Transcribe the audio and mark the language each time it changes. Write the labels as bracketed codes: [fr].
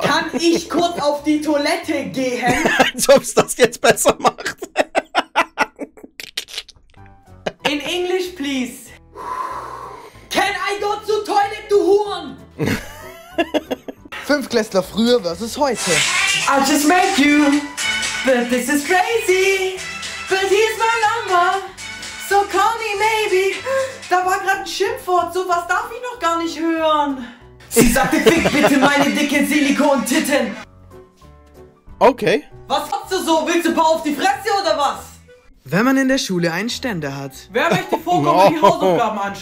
[de] Kann ich kurz auf die Toilette gehen? Als ob es das jetzt besser macht. [en] In English, please. Can I go to toilet, [de] du Huren? 5 Klässler früher versus heute. [en] I just met you, but this is crazy. But here's my number, so call me maybe. [de] Da war gerade ein Schimpfwort, sowas darf ich noch gar nicht hören. Sie sagte, fick bitte meine dicken Silikon-Titten. [en] Okay. [de] Was machst du so? Willst du ein paar auf die Fresse oder was? Wenn man in der Schule einen Ständer hat. Wer möchte vorkommen, die Hausaufgaben anschauen?